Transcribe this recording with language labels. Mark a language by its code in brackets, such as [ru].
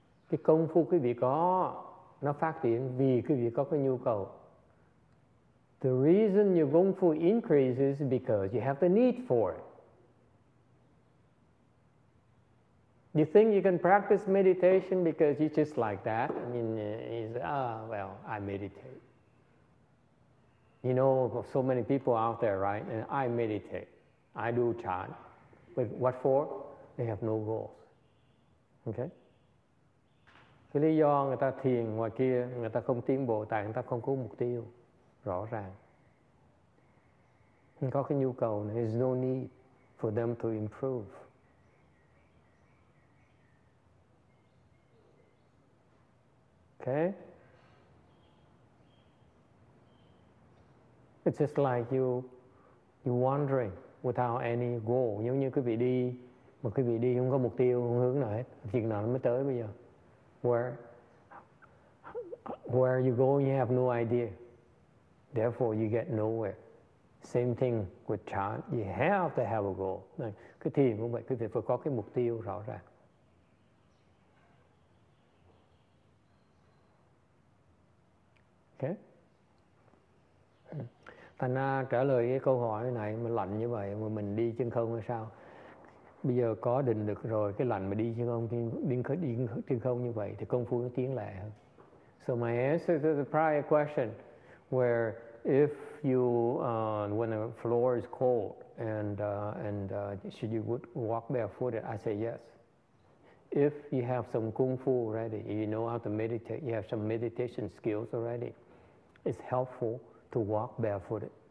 [vi] Cái công phu quý vị có, nó phát triển vì quý vị có cái nhu cầu. [en] The reason your kung fu increases is because you have the need for it. You think you can practice meditation because you're just like that? I mean, I meditate. You know, so many people out there, right? And I meditate. I do chan. But what for? They have no goals. Okay? [vi] Cái lý do người ta thiền ngoài kia, người ta không tiến bộ tại người ta không có mục tiêu rõ ràng. Không có cái nhu cầu này, [en] there's no need for them to improve. Okay? It's just like you wandering without any goal. [vi] Giống như quý vị đi, mà quý vị đi không có mục tiêu, không hướng nào hết. Chuyện nào nó mới tới bây giờ. [en] Where you go, you have no idea. Therefore, you get nowhere. Same thing with chan. You have to have a goal. [vi] Cái thiền cũng vậy, quý vị phải có cái mục tiêu rõ ràng. [en] Okay? [vi] Thành ra trả lời cái câu hỏi này, mà lạnh như vậy, mà mình đi chân không hay sao? Bây giờ có định lực rồi, cái lạnh mà đi chân không, đi chân không như vậy thì công phu nó tiến lẹ hơn. [en] So my answer to the prior question, where if you when the floor is cold and should you would walk barefooted, I say yes. If you have some kung fu already, you know how to meditate, you have some meditation skills already, it's helpful to walk barefooted.